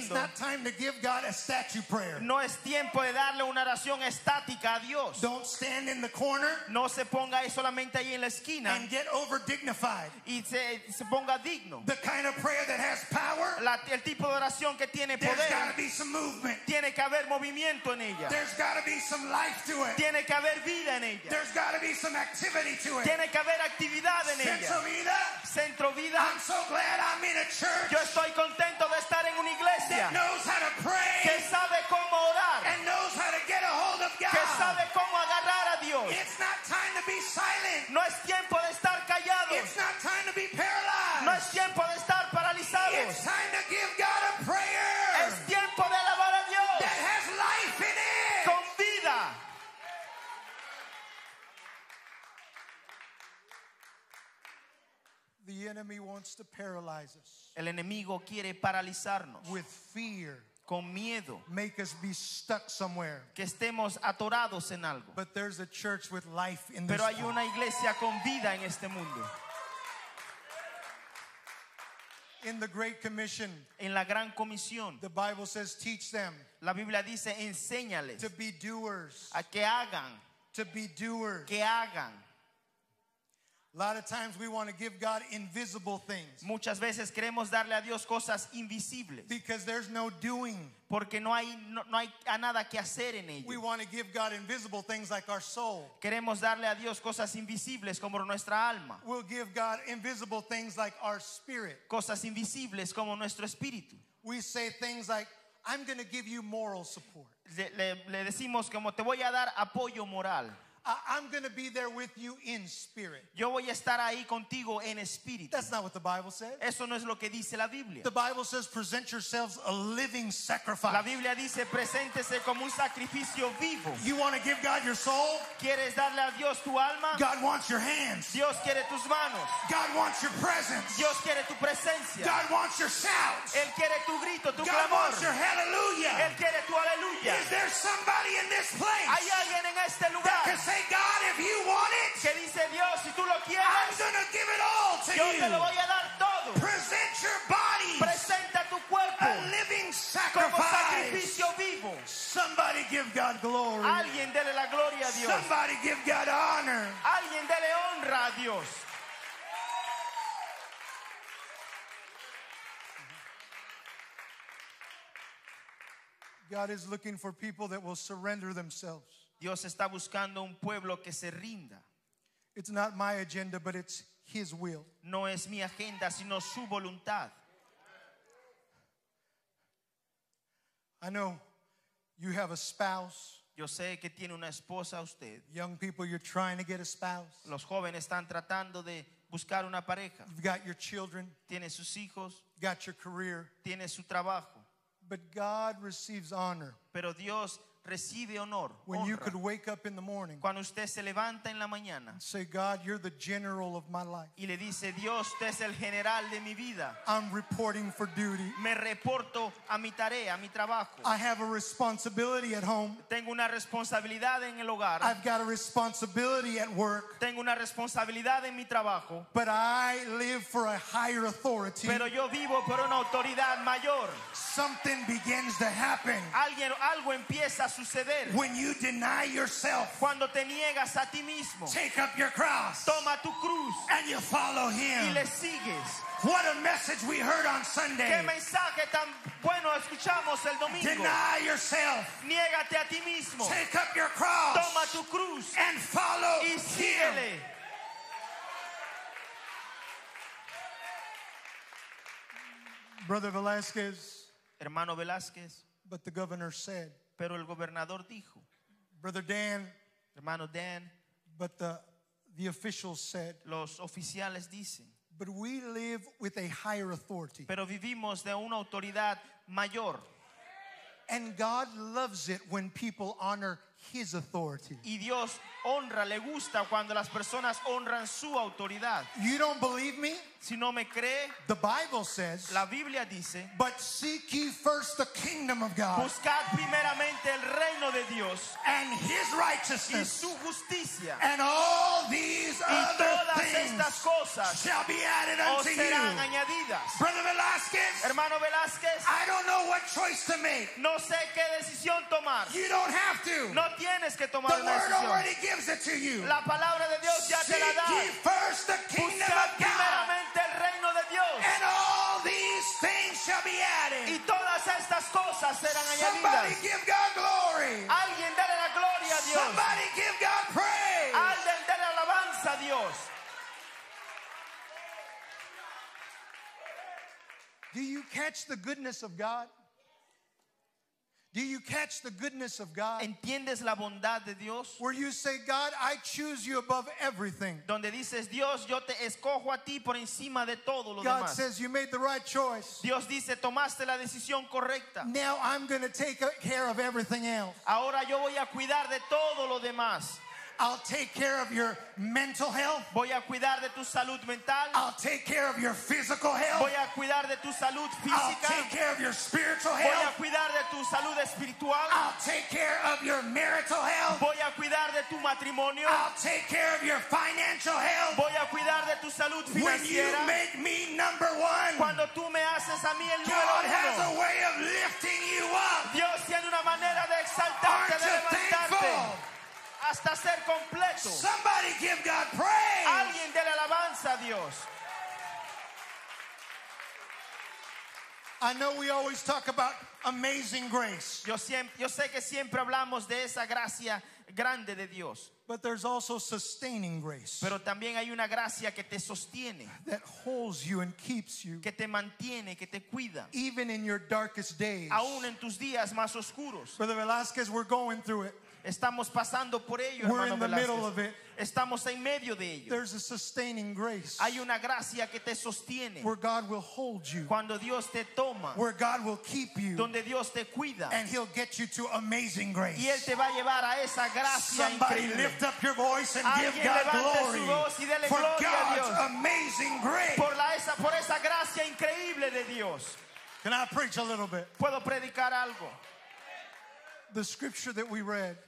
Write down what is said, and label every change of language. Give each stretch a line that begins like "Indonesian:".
English: it's not time to give God a statue prayer.
Spanish: No es tiempo de darle una oración estática a Dios.
English: Don't stand in the corner.
Spanish: No se ponga solamente ahí en la esquina.
English: And get over dignified.
Spanish: Y se ponga digno.
English: The kind of prayer that has power.
Spanish: El tipo de oración que tiene poder.
English: There's got to be some movement.
Spanish: Tiene que haber movimiento en ella.
English: There's got to be some life to it.
Spanish: Tiene que haber vida en ella.
English: There's got to be some activity to it.
Spanish: Tiene que haber actividad en ella. Centro vida. Centro vida.
English: I'm so glad. I'm in a church.
Spanish: Yo estoy contento de estar en una iglesia
English: that knows how to pray.
Spanish: Que sabe cómo orar.
English: And knows how to get a hold of God.
Spanish: Que sabe cómo agarrar a Dios.
English: It's not time to be silent.
Spanish: No es tiempo de estar callados.
English: It's not time to be paralyzed.
Spanish: No es tiempo de estar paralizados.
English: It's time to give God a prayer.
Spanish: Es tiempo de alabar a Dios.
English: That has life in it.
Spanish: Con vida.
English: The enemy wants to paralyze us.
Spanish: El enemigo quiere paralizarnos.
English: With fear.
Spanish: Con miedo.
English: Make us be stuck somewhere.
Spanish: Que estemos atorados en algo.
English: But there's a church with life in this
Spanish: world. Pero hay una iglesia con vida en este mundo.
English: In the Great Commission.
Spanish: En la Gran Comisión.
English: The Bible says teach them.
Spanish: La Biblia dice enséñales.
English: To be doers.
Spanish: A que hagan.
English: To be doers.
Spanish: Que hagan.
English: A lot of times we want to give God invisible things.
Spanish: Muchas veces queremos darle a Dios cosas invisibles.
English: Because there's no doing.
Spanish: Porque no hay nada que hacer en ello.
English: We want to give God invisible things like our soul.
Spanish: Queremos darle a Dios cosas invisibles como nuestra alma.
English: We'll give God invisible things like our spirit.
Spanish: Cosas invisibles como nuestro espíritu.
English: We say things like, I'm going to give you moral support.
Spanish: Le decimos como te voy a dar apoyo moral.
English: I'm going to be there with you in spirit.
Spanish: Yo voy a estar ahí contigo en espíritu.
English: That's not what the Bible says.
Spanish: Eso no es lo que dice la Biblia.
English: The Bible says present yourselves a living sacrifice.
Spanish: La Biblia dice preséntese como un sacrificio vivo.
English: You want to give God your soul?
Spanish: ¿Quieres darle a Dios tu alma?
English: God wants your hands.
Spanish: Dios quiere tus manos.
English: God wants your presence.
Spanish: Dios quiere tu presencia.
English: God wants your shouts.
Spanish: Él quiere tu grito, tu
English: God
Spanish: clamor.
English: God wants your hallelujah.
Spanish: Él quiere tu aleluya.
English: Is there somebody in this place?
Spanish: ¿Hay alguien en este lugar?
English: Say, God, if you want it,
Spanish: que dice Dios, si tú lo quieres,
English: I'm going to give it all to
Spanish: yo
English: you.
Spanish: Te lo voy a dar todo.
English: Present your body.
Spanish: Presenta tu cuerpo.
English: A living sacrifice.
Spanish: Como sacrificio vivo.
English: Somebody give God glory.
Spanish: Alguien dele la gloria a Dios.
English: Somebody give God honor.
Spanish: Alguien dele honra a Dios.
English: God is looking for people that will surrender themselves.
Spanish: Dios está buscando un pueblo que se rinda.
English: It's not my agenda, but it's his will.
Spanish: No es mi agenda, sino su voluntad.
English: I know you have a spouse.
Spanish: Yo sé que tiene una esposa usted.
English: Young people, you're trying to get a spouse.
Spanish: Los jóvenes están tratando de buscar una pareja.
English: You've got your children.
Spanish: Tiene sus hijos.
English: Got your career.
Spanish: Tiene su trabajo.
English: But God receives honor.
Spanish: Pero Dios recibe honor.
English: When you could wake up in the morning,
Spanish: cuando usted se levanta en la mañana,
English: say, God, you're the general of my life.
Spanish: Y le dice, Dios, usted es el general de mi vida.
English: I'm reporting for duty.
Spanish: Me reporto a mi tarea, a mi trabajo.
English: I have a responsibility at home.
Spanish: Tengo una responsabilidad en el hogar.
English: I've got a responsibility at work.
Spanish: Tengo una responsabilidad en mi trabajo.
English: But I live for a higher authority.
Spanish: Pero yo vivo por una autoridad mayor.
English: Something begins to happen.
Spanish: Alguien, algo empieza.
English: When you deny yourself,
Spanish: cuando te niegas a ti mismo,
English: take up your cross,
Spanish: toma tu cruz,
English: and you follow him.
Spanish: Y le sigues.
English: What a message we heard on Sunday.
Spanish: Qué mensaje tan bueno escuchamos el domingo.
English: Deny yourself,
Spanish: niégate a ti mismo,
English: take up your cross,
Spanish: toma tu cruz,
English: and follow
Spanish: y síguele.
English: Him. Brother Velázquez,
Spanish: hermano Velázquez,
English: but the governor said.
Spanish: Pero el gobernador dijo,
English: Brother Dan,
Spanish: hermano Dan,
English: but the officials said,
Spanish: los oficiales dicen,
English: but we live with a higher authority.
Spanish: Pero vivimos de una autoridad mayor.
English: And God loves it when people honor his authority.
Spanish: Y Dios honra, le gusta cuando las personas honran su autoridad.
English: You don't believe me?
Spanish: Si no me cree,
English: the Bible says,
Spanish: la Biblia dice,
English: but seek ye first the kingdom of God.
Spanish: Buscad primeramente el reino de Dios.
English: And his righteousness.
Spanish: Y su justicia.
English: And all these
Spanish: y
English: other
Spanish: todas
English: things
Spanish: estas cosas
English: shall be added unto
Spanish: serán
English: you.
Spanish: Añadidas.
English: Brother Velázquez,
Spanish: hermano Velázquez,
English: I don't know what choice to make.
Spanish: No sé qué decisión tomar.
English: You don't have to.
Spanish: No tienes que tomar
English: the word already gives it to you.
Spanish: La palabra de Dios ya
English: seek
Spanish: te la da.
English: Ye first the kingdom of God. And all these things shall be added.
Spanish: Y todas estas cosas serán añadidas.
English: Somebody give God glory.
Spanish: Alguien dele la gloria a Dios.
English: Somebody give God praise.
Spanish: Alguien dele alabanza a Dios.
English: Do you catch the goodness of God? Do you catch the goodness of God?
Spanish: ¿Entiendes la bondad de Dios?
English: Where you say, God, I choose you above everything.
Spanish: Donde dices, Dios, yo te escojo a ti por encima de todo lo
English: God
Spanish: demás.
English: Says, you made the right choice.
Spanish: Dios dice, tomaste la decisión correcta.
English: Now I'm going to take care of everything else.
Spanish: Ahora yo voy a cuidar de todo lo demás.
English: I'll take care of your mental health.
Spanish: Voy a cuidar de tu salud mental.
English: I'll take care of your physical health.
Spanish: Voy a cuidar de tu salud física.
English: I'll take care of your spiritual health.
Spanish: Voy a cuidar de tu salud espiritual.
English: I'll take care of your marital health.
Spanish: Voy a cuidar de tu matrimonio.
English: I'll take care of your financial health.
Spanish: Voy a cuidar de tu salud financiera.
English: When you make me number one,
Spanish: cuando tú me haces a mí el número uno,
English: God has a way of lifting you up.
Spanish: Dios tiene una manera de exaltarte,
English: aren't
Spanish: de levantarte.
English: Thankful?
Spanish: Hasta ser completo.
English: Somebody give God praise.
Spanish: Alguien dele alabanza a Dios.
English: I know we always talk about amazing grace.
Spanish: Yo sé que siempre hablamos de esa gracia grande de Dios.
English: But there's also sustaining grace.
Spanish: Pero también hay una gracia que te sostiene.
English: That holds you and keeps you.
Spanish: Que te mantiene, que te cuida.
English: Even in your darkest days.
Spanish: Aún en tus días más oscuros.
English: Brother Velázquez, we're going through it.
Spanish: Estamos pasando por ello,
English: we're
Spanish: hermano
English: in the
Spanish: Velázquez.
English: Middle of it.
Spanish: Estamos en medio de ello.
English: There's a sustaining grace.
Spanish: Hay una gracia que te sostiene.
English: Where God will hold you.
Spanish: Cuando Dios te toma.
English: Where God will keep you.
Spanish: Donde Dios te cuida.
English: And He'll get you to amazing grace.
Spanish: Y Él te va a llevar a esa gracia
English: somebody
Spanish: increíble.
English: Lift up your voice and give God glory. For God's amazing grace.
Spanish: Por esa gracia increíble de Dios.
English: Can I preach a little bit?
Spanish: ¿Puedo predicar algo?
English: The scripture that we read.